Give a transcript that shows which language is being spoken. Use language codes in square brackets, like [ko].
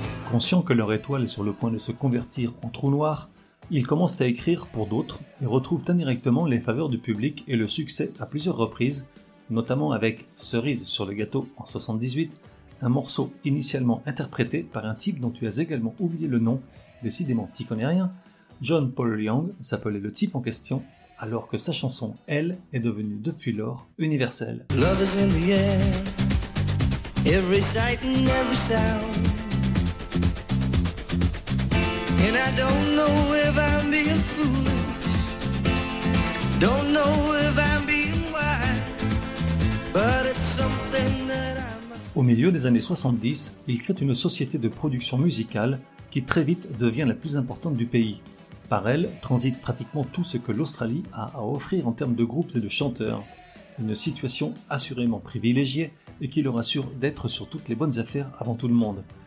[fr] Conscient que leur étoile est sur le point de se convertir en trou noir, ils commencent à écrire pour d'autres et retrouvent indirectement les faveurs du public et le succès à plusieurs reprises, notamment avec « Cerise sur le gâteau » en 78, un morceau initialement interprété par un type dont tu as également oublié le nom, décidément t'y connais rien, John Paul Young s'appelait le type en question, alors que sa chanson, elle, est devenue depuis lors universelle. [en] Love is in the air, every sight and every sound. And I don't know if I'm being foolish, don't know if I'm being wise, but it's something that I must... [fr] Au milieu des années 70, il crée une société de production musicale qui très vite devient la plus importante du pays. Par elle, transite pratiquement tout ce que l'Australie a à offrir en termes de groupes et de chanteurs. Une situation assurément privilégiée et qui leur assure d'être sur toutes les bonnes affaires avant tout le monde.